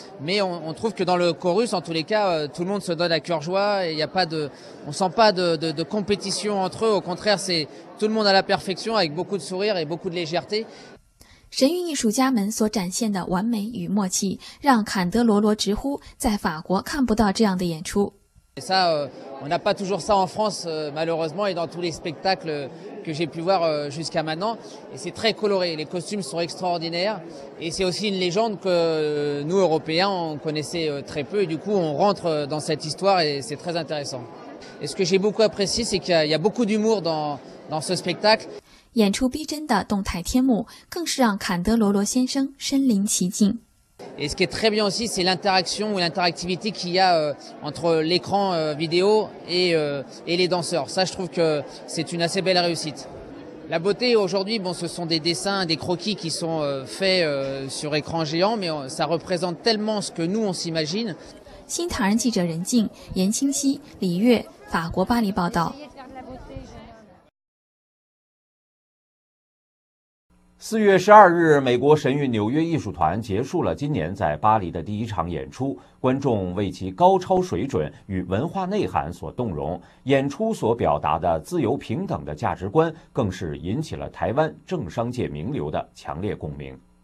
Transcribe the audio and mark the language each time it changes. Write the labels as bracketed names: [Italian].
[French] Mais on trouve que dans le chorus, en tous les cas, tout le monde se donne à cœur joie et on sent pas de compétition entre eux. Au contraire, c'est tout le monde à la perfection avec beaucoup de sourires et beaucoup de légèreté. [Chinese] 神韵艺术家们所展现的完美与默契，让坎德罗罗直呼在法国看不到这样的演出。 [French] Ça, on n'a pas toujours ça en France, malheureusement, et dans tous les spectacles que j'ai pu voir jusqu'à maintenant. Et c'est très coloré, les costumes sont extraordinaires. Et c'est aussi une légende que nous, Européens, on connaissait très peu. Et du coup, on rentre dans cette histoire et c'est très intéressant. Et ce que j'ai beaucoup apprécié, c'est qu'il y a beaucoup d'humour dans ce spectacle. [Chinese] 演出逼真的动态天幕更是让坎德罗罗先生身临其境。 [French] Et ce qui est très bien aussi, c'est l'interaction ou l'interactivité qu'il y a entre l'écran vidéo et les danseurs. Ça, je trouve que c'est une assez belle réussite. La beauté aujourd'hui, bon, ce sont des dessins, des croquis qui sont faits sur écran géant, mais ça représente tellement ce que nous, on s'imagine. [Chinese] 新唐人记者任静、严清溪、李月，法国巴黎报道。 4月12日，美国神韵纽约艺术团结束了今年在巴黎的第一场演出，观众为其高超水准与文化内涵所动容，演出所表达的自由平等的价值观更是引起了台湾政商界名流的强烈共鸣。